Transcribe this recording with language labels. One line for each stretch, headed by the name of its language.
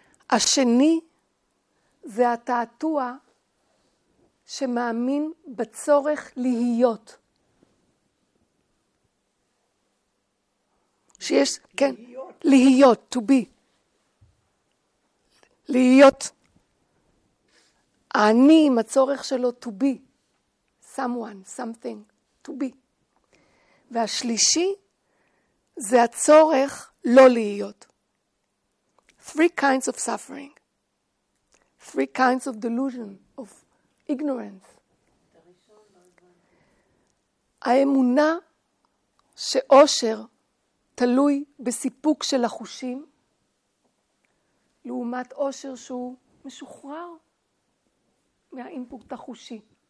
Hebrew: השני זה התעתוע שמאמין בצורך להיות. שיש, כן, להיות,
English: to be.
Hebrew: להיות אני עם הצורך שלו
English: to be. Someone, something, to be.
Hebrew: והשלישי זה הצורך לא להיות.
English: Three kinds of suffering. Three kinds of delusion, of ignorance.
Hebrew: האמונה שאושר תלוי בסיפוק של החושים, לעומת אושר שהוא משוחרר מהאינפוט החושי.